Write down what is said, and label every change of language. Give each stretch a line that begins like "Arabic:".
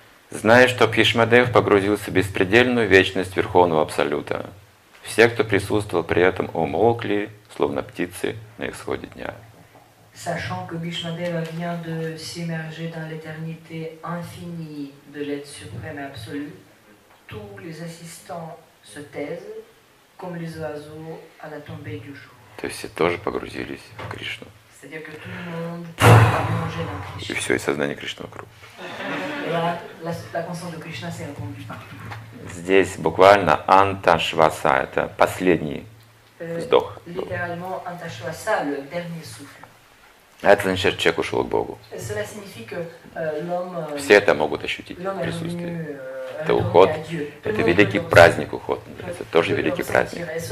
Russian: Знаю, что Бхишмадев погрузился в беспредельную вечность Верховного Абсолюта. Все, кто присутствовал при этом, умолкли, словно птицы на исходе дня.
French: Sachant que Bhishmadeva vient de s'immerger dans l'éternité infinie de l'être suprême et absolu, tous les assistants se taisent, comme les oiseaux à la tombée du jour.
Russian: То есть все тоже погрузились в Кришну.
French: C'est-à-dire que tout le monde plongé dans Krishna.
Russian: И все, и сознание Кришны вокруг.
French: La conscience de Krishna s'est répandue partout.
Russian: Здесь буквально анташваса, это последний вздох. Это значит, что человек ушел к Богу. Все это могут ощутить присутствие. Это уход, это великий праздник уход. Это тоже великий праздник.